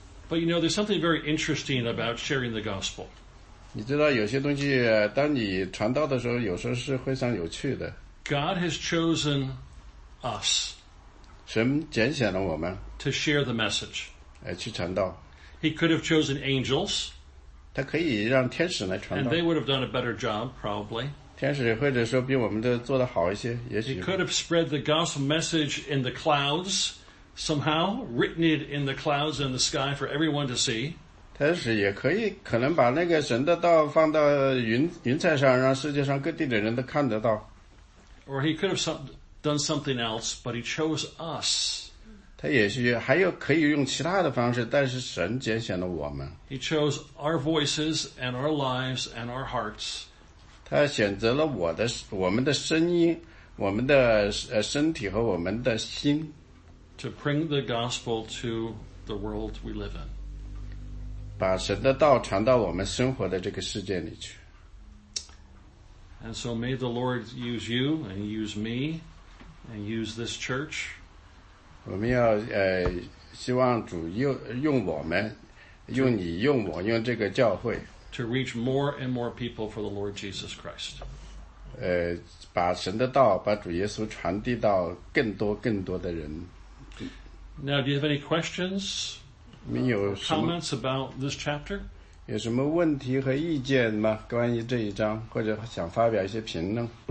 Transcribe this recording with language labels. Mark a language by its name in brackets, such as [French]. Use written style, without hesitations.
[English] But you know, there's something very interesting about sharing the gospel. [Chinese] 你知道有些东西当你传道的时候有时候是非常有趣的。 [English] God has chosen us. [Chinese] 神拣选了我们。 [English] To share the message. [Chinese] 去传道。 [English] He could have chosen angels. [Chinese] 他可以让天使来传道。 [English] And they would have done a better job, probably. [Chinese] 天使或者说比我们的做得好一些，也许。 [English] He could have spread the gospel message in the clouds somehow, written it in the clouds in the sky for everyone to see. [Chinese] 天使也可能把那个神的道放到云彩上，让世界上各地的人都看得到。 [English] Or he could have done something else, but he chose us. [Chinese] 他也许还有可以用其他的方式，但是神拣选了我们。 [English] He chose our voices and our lives and our hearts. [Chinese] 他选择了我们的声音，我们的身体和我们的心。 [English] To bring the gospel to the world we live in. [Chinese] 把神的道传到我们生活的这个世界里去。 [English] And so may the Lord use you and use me and use this church. [Chinese] 我们要希望主用我们用你用我用这个教会 [English] to reach more and more people for the Lord Jesus Christ. [Chinese] 把神的道把主耶稣传递到更多更多的人。 [English] Now, do you have any questions? [Chinese] 你有什么 [English] comments about this chapter? [Chinese] 有什么问题和意见吗？关于这一章，或者想发表一些评论？